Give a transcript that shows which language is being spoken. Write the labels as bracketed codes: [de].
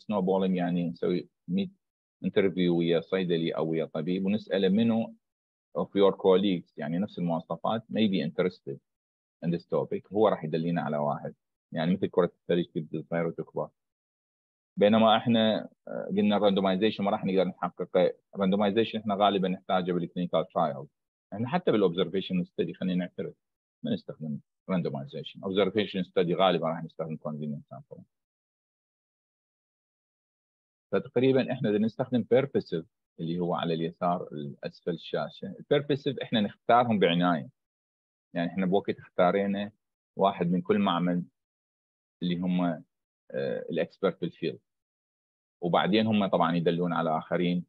[ar] سنوبولينج يعني نسوي ميت انترفيو ويا صيدلي او ويا طبيب ونساله منه [en] of your colleagues، [ar] يعني نفس المواصفات، [en] may be interested in this topic، [ar] هو راح يدلينا على واحد. يعني مثل كرة الثلج تبدأ تصغر وتكبر، بينما احنا قلنا randomization ما راح نقدر نحققه. randomization احنا غالبا نحتاجه بالكلينيكال ترايلز، احنا حتى بالobservation study خلينا نعترف ما نستخدم randomization. [en] observation study [ar] غالبا راح نستخدم [en] convenient sample. [ar] فتقريبا احنا اذا نستخدم purposive اللي هو على اليسار الأسفل الشاشة، البيربسيف إحنا نختارهم بعناية. يعني إحنا بوقت اختارينا واحد من كل معمل اللي هم الأكسبرت في الفيلد، وبعدين هم طبعا يدلون على آخرين.